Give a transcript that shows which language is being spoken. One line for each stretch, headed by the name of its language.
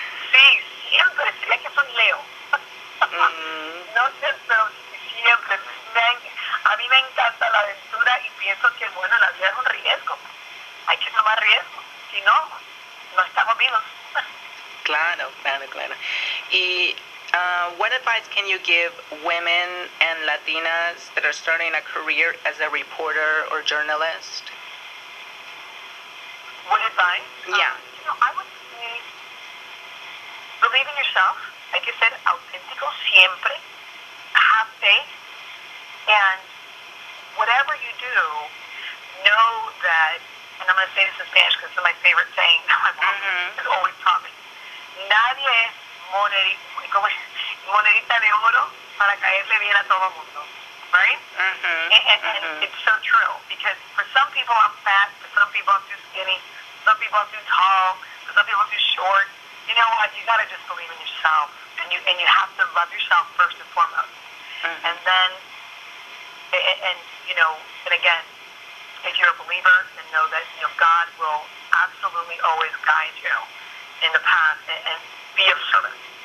Spanish: Sí, siempre sé que soy Leo. No sé, pero siempre a mí me encanta la aventura y pienso que, bueno, la vida es un riesgo. Hay que tomar riesgo, si no, no estamos vivos. Claro, claro, claro.
English: Y, what advice can you give women and Latinas that are starting a career as a reporter or journalist? What advice? Yeah. You know, I would say, believe in yourself.
Spanish: Hay que ser auténtico siempre.
English: Have faith. And whatever you do, know that, and I'm going to say this in Spanish because it's my favorite saying that my mom is always talking.
Spanish: Nadie es monedita de oro para caerle bien a todo el mundo, right? Mm-hmm.
English: And it's so true, because for some people I'm fat, for some people I'm too skinny, for some people I'm too tall, for some people I'm too short. You know what, you gotta just believe in yourself, and you have to love yourself first and foremost. Mm-hmm. And then, and again, if you're a believer, then know that, you know, God will absolutely always guide you in the path and be of service.